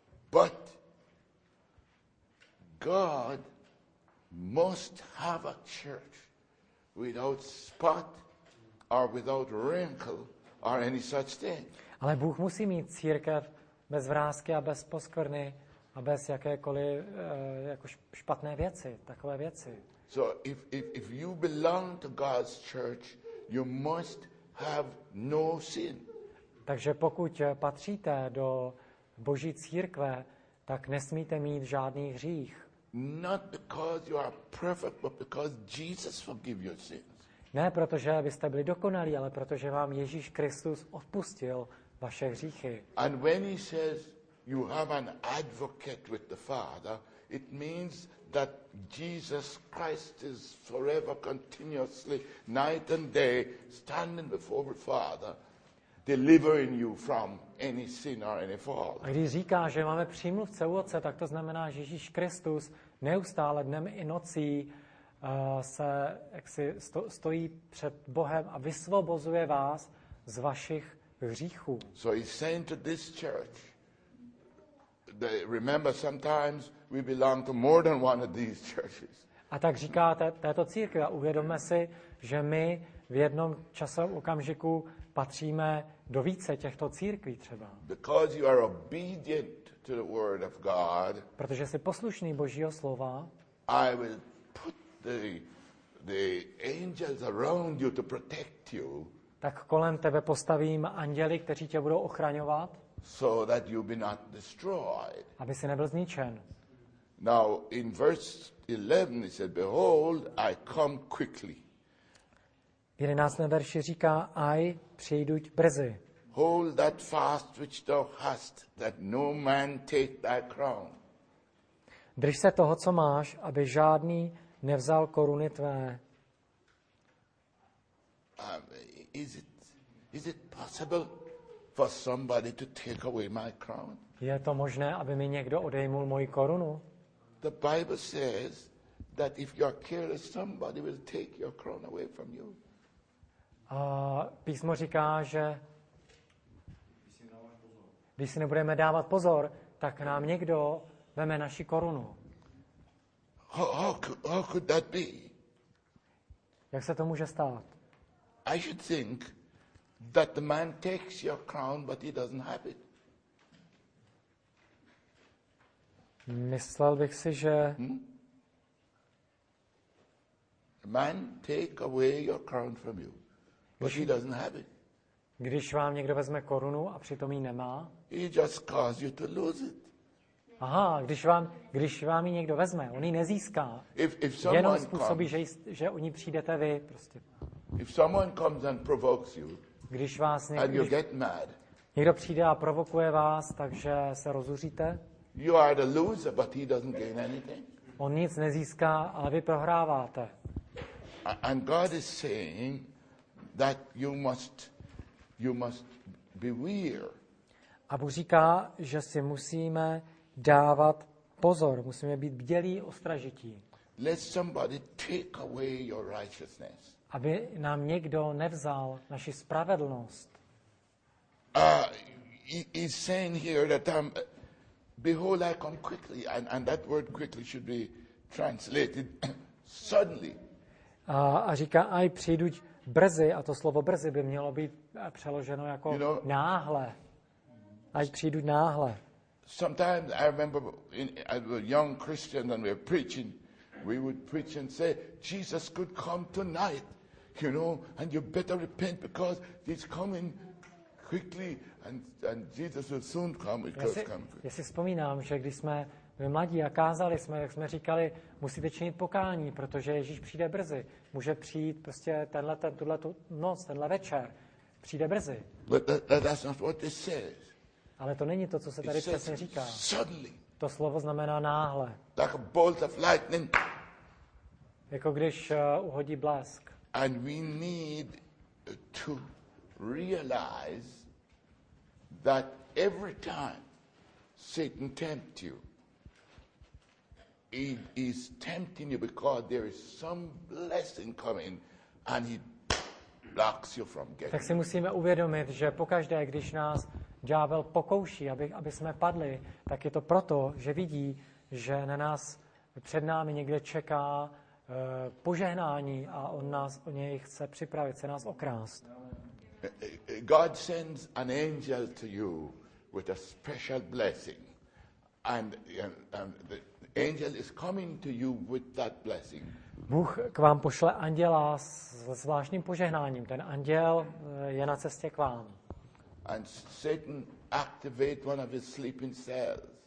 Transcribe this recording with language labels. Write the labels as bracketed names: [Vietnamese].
[English] But God must have a church without spot or without wrinkle or any such thing. [Czech] Ale Bůh musí mít církev bez vrásky a bez poskvrny a bez jakékoliv jako špatné věci, takové věci. [English] So if you belong to God's church, you must have no sin. [Czech] Takže pokud patříte do Boží církve, tak nesmíte mít žádný hřích. [English] Not because you are perfect, but because Jesus forgive your sins. [Czech] Ne protože byste byli dokonalí, ale protože vám Ježíš Kristus odpustil vaše hříchy. [English] And when he says you have an advocate with the Father, it means that Jesus Christ is forever continuously night and day standing before the Father, delivering you from any sin or any fault. [Czech] A když říká, že máme přímluvce u Otce, tak to znamená, že Ježíš Kristus neustále dnem i nocí se jaksi stojí před Bohem a vysvobozuje vás z vašich hříchů. [English] So he's saying to this church, they remember sometimes we belong to more than one of these churches. [Czech] A tak říká této církvi, uvědomme si, že my v jednom časovém okamžiku patříme do více těchto církví třeba. [English] Because you are obedient to the word of God. [Czech] Protože jsi poslušný Božího slova. [English] I will put the angels around you to protect you. [Czech] Tak kolem tebe postavím anděly, kteří tě budou ochraňovat. [English] So that you be not destroyed. [Czech] Aby jsi nebyl zničen. [English] Now in verse 11 he said, behold, I come quickly. [Czech] V 11. verši říká, aj přijdu brzy. [English] Hold that fast which thou hast, that no man take thy crown. [Czech] Drž se toho, co máš, aby žádný nevzal koruny tvé. [English] Is it possible for somebody to take away my crown? [Czech] Je to možné, aby mi někdo odejmul moji korunu? [English] The Bible says that if you are careless, somebody will take your crown away from you. [Czech] A písmo říká, že když si nebudeme dávat pozor, tak nám někdo veme naši korunu. [English] How could that be? [Czech] Jak se to může stát? [English] I should think that the man takes your crown, but he doesn't have it. [Czech] Myslel bych si, že [English] The man take away your crown from you. But he doesn't have it. [Czech] Když vám někdo vezme korunu a přitom ji nemá. [English] He just caused you to lose it. [Czech] Aha, když vám ji někdo vezme, on ji nezíská. [English] If [Czech] jenom způsobí, [English] comes, [Czech] že o ní přijdete vy, prostě. [English] If someone comes and provokes you. [Czech] Když vás někdo, [English] and you get mad. [Czech] Někdo přijde a provokuje vás, takže se rozuříte. [English] You are the loser, but he doesn't gain anything. [Czech] On nic nezíská, ale vy prohráváte. [English] And God is saying that you must beware. [Czech] A Bůh říká, že si musíme dávat pozor, musíme být bdělí, ostražití. [English] Let somebody take away your righteousness. [Czech] Aby nám někdo nevzal naši spravedlnost. [English] He's saying here that behold, I come quickly, and that word quickly should be translated suddenly. [Czech] A říká, aj přijdu brzy, a to slovo brzy by mělo být přeloženo jako náhle. Ať přijdu náhle. [English] Sometimes I remember as a young Christian and we were preaching, we would preach and say, Jesus could come tonight, you know, and you better repent because he's coming quickly and Jesus will soon come. [Czech] Já si vzpomínám, že když jsme my mladí a kázali jsme, jak jsme říkali, musíte činit pokání, protože Ježíš přijde brzy. Může přijít prostě tuhletu noc, tenhle večer. Přijde brzy. [English] That's not what it says. [Czech] Ale to není to, co se tady přesně říká. [English] Suddenly. [Czech] To slovo znamená náhle. [English] Like a bolt of lightning. [Czech] Jako když uhodí blesk. [English] And we need to realize that every time Satan tempts you, he is tempting you because there is some blessing coming and he blocks you from getting. [Czech] Tak si musíme uvědomit, že pokaždé, když nás ďábel pokouší, aby jsme padli, tak je to proto, že vidí, že na nás před námi někde čeká požehnání a on nás o něj chce připravit, chce nás okrást. [English] God sends an angel to you with a special blessing. And the angel is coming to you with that blessing. [Czech] Bůh k vám pošle anděla s zvláštním požehnáním. Ten anděl je na cestě k vám. [English] And Satan activate one of his sleeping cells.